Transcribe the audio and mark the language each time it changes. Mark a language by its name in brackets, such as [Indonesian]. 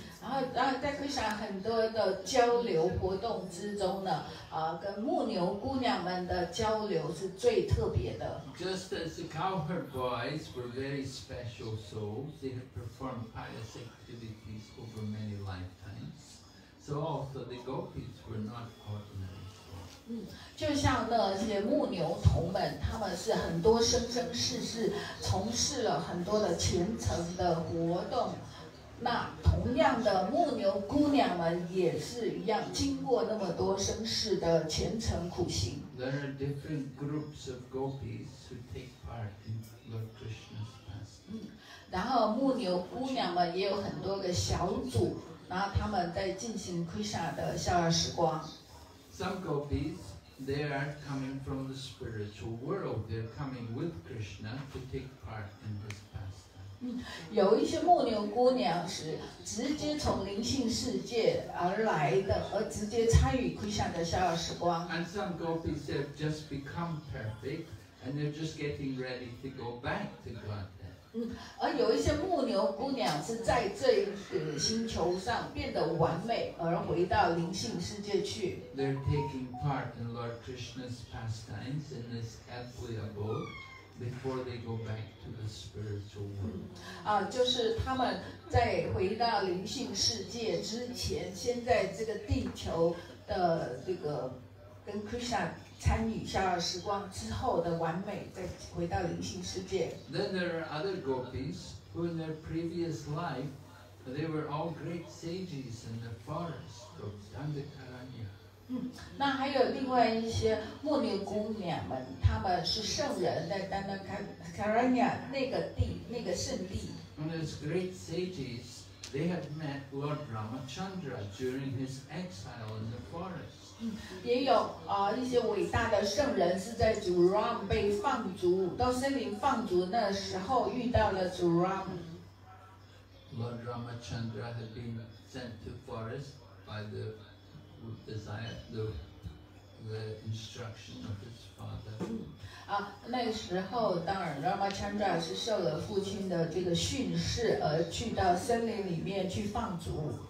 [Chinese] 然后在 Krishna 很多的交流活动之中呢，跟牧牛姑娘们的交流是最特别的。 [English] Just as the cowherd boys were very special souls, they had performed pious activities over many lifetimes, so also the gopis were not ordinary. [Chinese] 就像那些牧牛童们，他们是很多生生世世从事了很多的虔诚的活动。那同样的牧牛姑娘们也是一样，经过那么多生世的虔诚苦行。 [English] There are different groups of gopis who take part in Lord Krishna's pastime. [Chinese] 然后牧牛姑娘们也有很多个小组，然后他们在进行 Krishna 的逍遥时光。 [English] Some gopis, they are coming from the spiritual world. They're coming with Krishna to take part in this pastime. [Chinese] 有一些牧牛姑娘是直接从灵性世界而来的，而直接参与 Krishna 的逍遥时光。 [English] And some gopis have just become perfect, and they're just getting ready to go back to Godhead. [Chinese] 而有一些牧牛姑娘是在这个星球上变得完美，而回到灵性世界去。 [English] They're taking part in Lord Krishna's pastimes in this earthly abode. Before they go back to the spiritual world. [Chinese] 就是他们在回到灵性世界之前，先在这个地球的这个跟 Krishna 参与逍遥时光之后的完美，再回到灵性世界。 [English] Then there are other gopis who, in their previous life, they were all great sages in the forest of Dandakaranya. [Chinese] 那还有另外一些牧牛姑娘们，她们是圣人，在丹丹卡拉尼亚那个地，那个圣地。 [English] And as great sages, they had met Lord Ramachandra during his exile in the forest. [Chinese] 也有一些伟大的圣人是在祖 Ram 被放逐，到森林放逐那时候遇到了祖 Ram。 [English] Lord Ramachandra had been sent to forest by the. Desire the instruction of his father. [Chinese] 那时候当然 Ramachandra 是受了父亲的这个训示而去到森林里面去放逐。